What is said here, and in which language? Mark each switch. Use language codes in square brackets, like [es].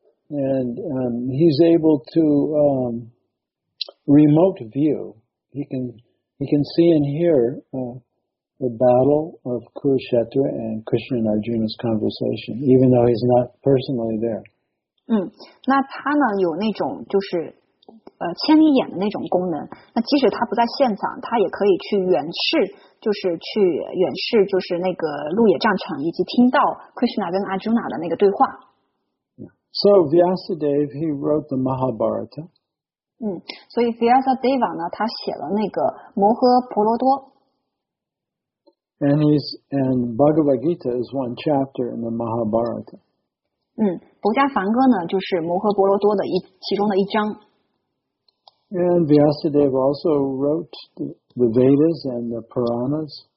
[en] And he's able to remote view. He can see and hear. The battle of Kurukshetra and Krishna and Arjuna's conversation, even though he's not personally there. [zh] 那他呢有那种就是千里眼的那种功能。那即使他不在现场，他也可以去远视，就是去远视，就是那个鹿野战场，以及听到 Krishna 跟 Arjuna 的那个对话。 [en] So Vyasadeva, he wrote the Mahabharata. [zh] 所以 Vyasadeva 呢，他写了那个摩诃婆罗多。 [en] And Bhagavad Gita is one chapter in the Mahabharata. [zh] 儒家梵歌呢就是摩诃婆罗多的其中的一章。 [en] And Vyasadeva also wrote the Vedas and the Puranas.